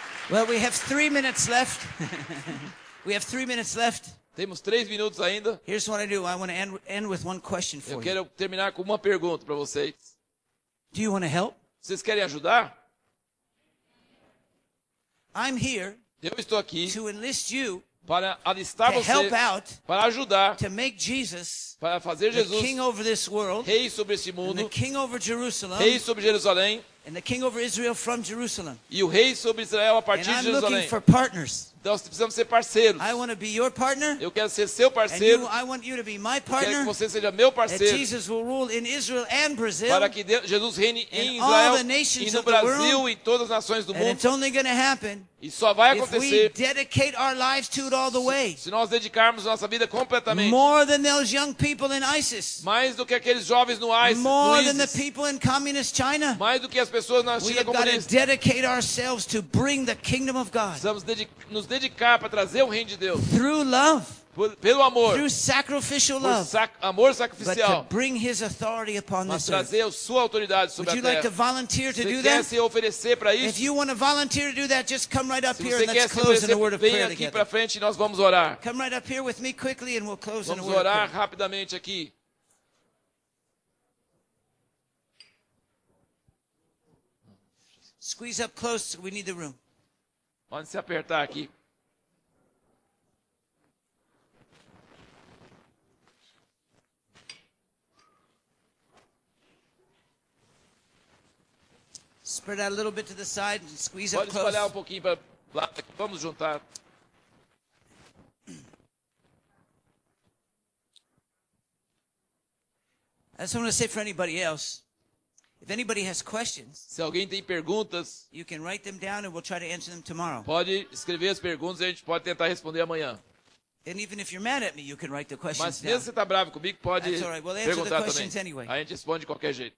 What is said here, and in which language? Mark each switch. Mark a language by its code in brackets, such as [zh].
[en] Well, we have 3 minutes left. We have 3 minutes left. [pt] Temos 3 minutos ainda. [en] Here's what I do. I want to end with one question for you. [pt] Eu quero terminar com uma pergunta para vocês. [en] Do you want to help? [pt] Vocês querem ajudar? [en] I'm here, [pt] eu estou aqui, [en] to enlist you, [pt] para alistar [en] to help out, [pt] para ajudar, [en] to make Jesus, [pt] para fazer Jesus, [en] the king over this world, [pt] rei sobre este mundo, [en] and the king over Jerusalem, [pt] rei sobre Jerusalém, [en] and the king over Israel from Jerusalem, [pt] e o rei sobre Israel a partir [en] and [pt] de Jerusalém. [en] I'm looking for partners. [pt] Então, nós precisamos ser parceiros. [en] I want to be your partner, [pt] eu quero ser seu parceiro. [en] And you, I want you to be my partner, [pt] eu quero que você seja meu parceiro. [en] That Jesus will rule in Israel and Brazil, [pt] para que Deus, Jesus reine em [en] and [pt] Israel [en] all the nations [pt] e no Brasil [en] of the world, [pt] e todas as nações do mundo. [en] And it's only gonna happen [pt] e só vai acontecer [en] if we dedicate our lives to it all the way. [pt] Se nós dedicarmos nossa vida completamente. [en] More than those young people in ISIS. [pt] Mais do que aqueles jovens no ISIS. [en] More [pt] no ISIS. [en] Than the people in communist China. [pt] Mais do que as pessoas na China comunista. [en] We have to dedicate ourselves to bring the kingdom of God. [pt] Precisamos nos dedicar para trazer o reino de Deus. [en] Through love. [pt] Pelo amor. [en] Through sacrificial love. [pt] Amor sacrificial. [en] But to bring his authority upon this earth. [pt] Mas trazer a sua autoridade sobre a terra. [en] Would you like to volunteer to do that? [pt] Você quer se oferecer para isso? [en] If you want to volunteer to do that, just come right up here and let's close in a word of prayer. [pt] Vem aqui para frente e nós vamos orar. [en] Come right up here with me quickly and we'll close in a word of prayer. [pt] Vamos orar rapidamente aqui. [en] Squeeze up close, we need the room. [pt] Pode se apertar aqui. [en] Spread out a little bit to the side and squeeze [pt] pode [en] up close. [pt] Pode espalhar um pouquinho para lá. Vamos juntar. [en] I just want to say for anybody else. If anybody has questions, [pt] se alguém tem perguntas, [en] you can write them down and we'll try to answer them tomorrow. [pt] Pode escrever as perguntas e a gente pode tentar responder amanhã. [en] And even if you're mad at me, you can write the questions [pt] mas [en] down. [pt] Mas mesmo se tá bravo comigo, pode [en] we'll [pt] perguntar [en] the questions [pt] também. [en] Anyway. [pt] A gente responde de qualquer jeito.